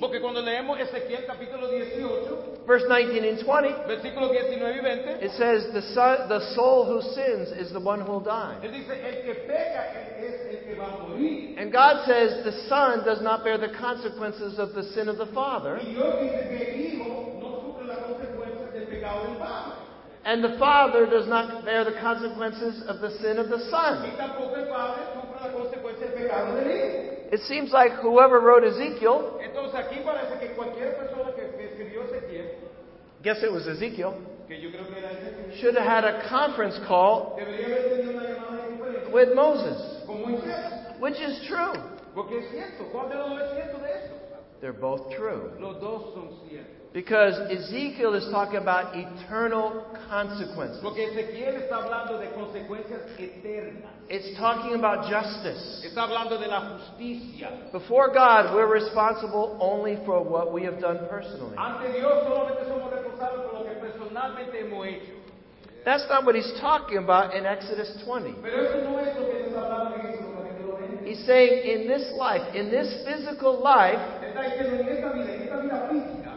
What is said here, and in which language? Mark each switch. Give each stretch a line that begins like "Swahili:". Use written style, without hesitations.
Spanish: porque cuando leemos Ezequiel, capítulo 18,
English: verse 19 and 20,
Spanish: versículo 19 y 20,
English: it says, the soul who sins is the one who will die.
Spanish: Él dice, el que peca es el que va a morir.
English: And God says, the son does not bear the consequences of the sin of the father.
Spanish: Y Dios dice que el hijo no sufre las consecuencias del pecado del padre.
English: And the father does not bear the consequences of the sin of the son.
Spanish: Y tampoco el padre sufre las consecuencias del pecado del hijo.
English: It seems like whoever wrote Ezekiel,
Spanish: entonces, aquí parece que cualquier persona que escribió Ezequiel,
English: guess it was Ezekiel,
Spanish: que yo creo que era Ezequiel,
English: should have had a conference call
Spanish: debería haber tenido una llamada
English: with Moses,
Spanish: con Moisés,
English: which is true.
Spanish: Porque es cierto. ¿Cuál de los dos es cierto de esto?
English: They're both true.
Spanish: Los dos son ciertos.
English: Because Ezekiel is talking about eternal consequences.
Spanish: Porque Ezequiel está hablando de consecuencias eternas.
English: It's talking about justice.
Spanish: Está hablando de la justicia.
English: Before God, we're responsible only for what we have done personally.
Spanish: Ante Dios, solamente somos responsables por lo que personalmente hemos hecho.
English: That's not what he's talking about in Exodus 20.
Spanish: Pero eso no es lo que está hablando en Exodus 20.
English: He's saying in this life, in this physical life,
Spanish: está diciendo, en esta vida,